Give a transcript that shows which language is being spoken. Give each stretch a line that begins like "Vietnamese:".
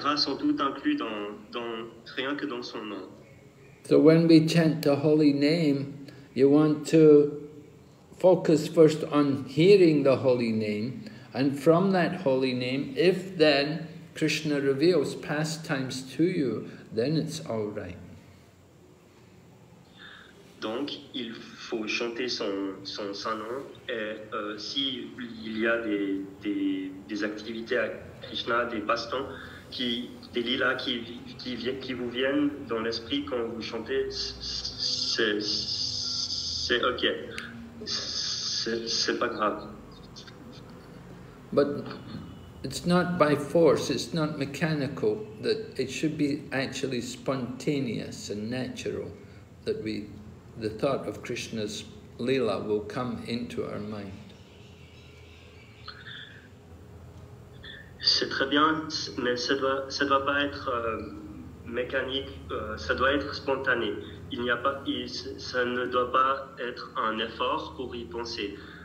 French: sont toutes incluses dans rien que dans son nom.
English: So when we chant the holy name, you want to focus first on hearing the holy name, and from that holy name, if then Krishna reveals pastimes to you, then it's all right.
French: Donc, il faut chanter son saint nom, et si il y a des activités à Krishna, des pastimes, des lilas qui vous viennent dans l'esprit quand vous chantez, c'est ok, c'est pas grave.
English: But it's not by force, it's not mechanical, that it should be actually spontaneous and natural that the thought of Krishna's lila will come into our mind.
French: C'est très bien, mais ça doit pas être mécanique, ça doit être spontané. Il n'y a pas, ça ne doit pas être un effort pour y penser.